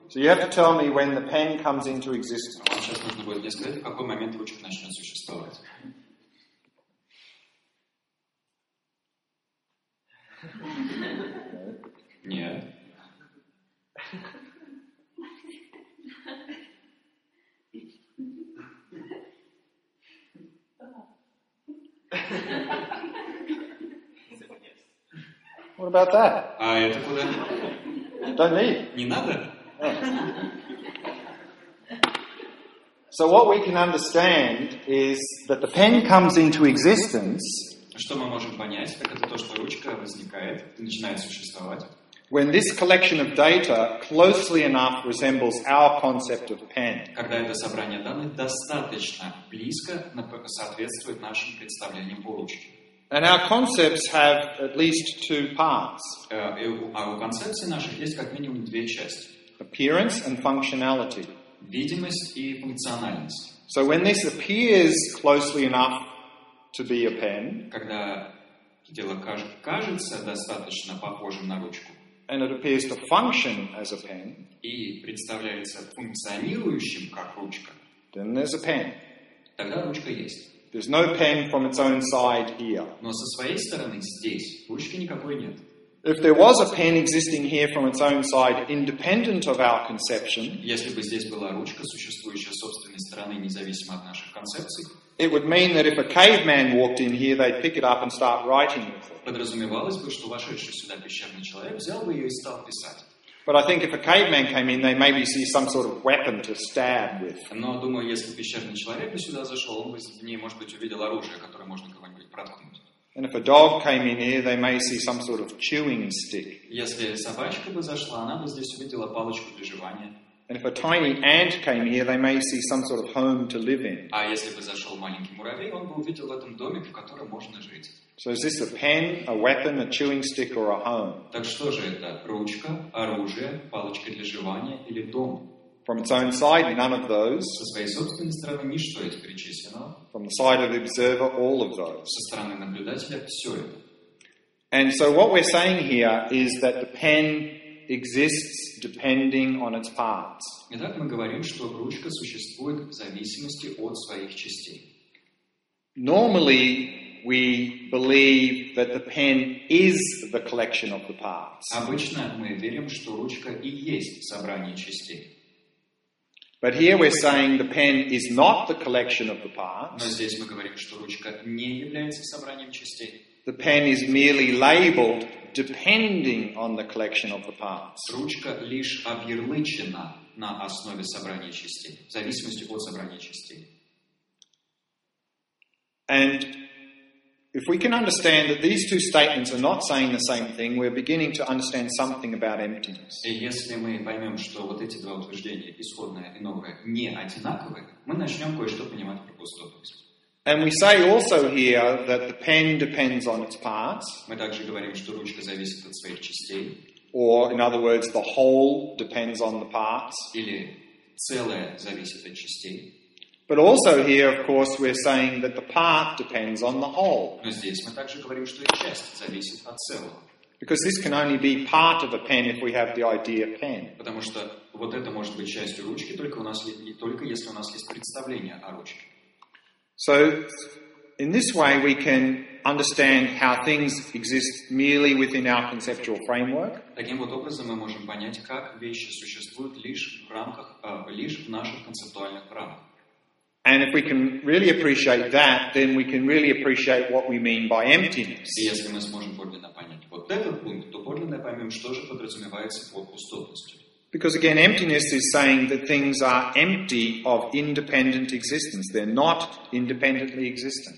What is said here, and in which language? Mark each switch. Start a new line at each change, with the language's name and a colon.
English: So you have to tell me when the pen comes into existence.
Russian: Вам сейчас нужно будет мне сказать, в какой момент ручка начнет существовать. Нет.
English: What about that?
Russian: А это куда?
English: Don't need.
Russian: Не надо.
English: So what we can understand is that the pen comes into existence.
Russian: Что мы можем понять, так это то, что ручка возникает, начинает существовать.
English: When this collection of data closely enough resembles our concept of pen.
Russian: Когда это собрание данных достаточно близко соответствует нашим представлениям о ручке.
English: And our concepts have at least two parts.
Russian: У концепций наших есть как минимум две части.
English: Appearance and functionality.
Russian: Видимость и функциональность.
English: So when this appears closely enough to be a pen,
Russian: когда дело кажется достаточно похожим на ручку.
English: And it appears to function as a pen.
Russian: И представляется функционирующим как ручка.
English: Then there's a pen.
Russian: Тогда ручка есть.
English: There's no pen from its own side here.
Russian: Но со своей стороны здесь ручки никакой нет.
English: If there was a pen existing here from its own side, independent of our conception,
Russian: если бы здесь была ручка, существующая с собственной стороны, независимо от наших концепций,
English: it would mean that if a caveman walked in here, they'd pick it up and start writing with it.
Russian: Подразумевалось бы, что вошедший сюда пещерный человек взял бы ее и стал писать.
English: But I think if a caveman came in, they maybe see some sort of weapon to stab with.
Russian: Но думаю, если пещерный человек бы сюда зашел, он бы в ней, может быть, увидел оружие, которое можно кого-нибудь проткнуть.
English: And if a dog came in here, they may see some sort of chewing stick.
Russian: Если собачка бы зашла, она бы здесь увидела палочку для жевания.
English: And if a tiny ant came here, they may see some sort of home to live in.
Russian: А если бы зашёл маленький муравей, он бы увидел в этом домик, в котором можно жить.
English: So is this a pen, a weapon, a chewing stick or a home?
Russian: Так что же это? Ручка, оружие, палочка для жевания или дом?
English: From its own side, none of those.
Russian: Со своей собственной стороны ничто из перечисленного.
English: From the side of the observer, all of those.
Russian: Со стороны наблюдателя всё это.
English: And so what we're saying here is that the pen exists depending on its parts.
Russian: Итак, мы говорим, что ручка существует в зависимости от своих частей.
English: Normally, we believe that the pen is the collection of the parts.
Russian: Обычно мы верим, что ручка и есть собрание частей.
English: But here we're saying the pen is not the collection of the parts.
Russian: Но здесь мы говорим, что ручка не является собранием частей.
English: The pen is merely labeled depending on the collection of the parts.
Russian: Ручка лишь объярлычена на основе собрания частей, в зависимости от собрания частей.
English: And if we can understand that these two statements are not saying the same thing, we're beginning to understand something about emptiness.
Russian: И если мы поймём, что вот эти два утверждения, исходное и новое, не одинаковы, мы начнём кое-что понимать про пустоту.
English: And we say also here that the pen depends on its parts.
Russian: Мы также говорим, что ручка зависит от своих частей.
English: Or, in other words, the whole depends on the parts.
Russian: Или целое зависит от частей.
English: But also here, of course, we're saying that the part depends on the whole.
Russian: Но здесь мы также говорим, что и часть зависит от целого.
English: Because this can only be part of a pen if we have the idea of pen.
Russian: Потому что вот это может быть частью ручки только у нас не только если у нас есть представление о ручке.
English: So, in this way, we can understand how things exist merely within our conceptual framework.
Russian: Таким вот образом мы можем понять, как вещи существуют лишь в наших концептуальных рамках.
English: And if we can really appreciate that, then we can really appreciate what we mean by emptiness.
Russian: И если мы сможем подлинно понять вот этот пункт, то подлинно поймем, что же подразумевается под пустотностью.
English: Because again, emptiness is saying that things are empty of independent existence. They're not independently existent.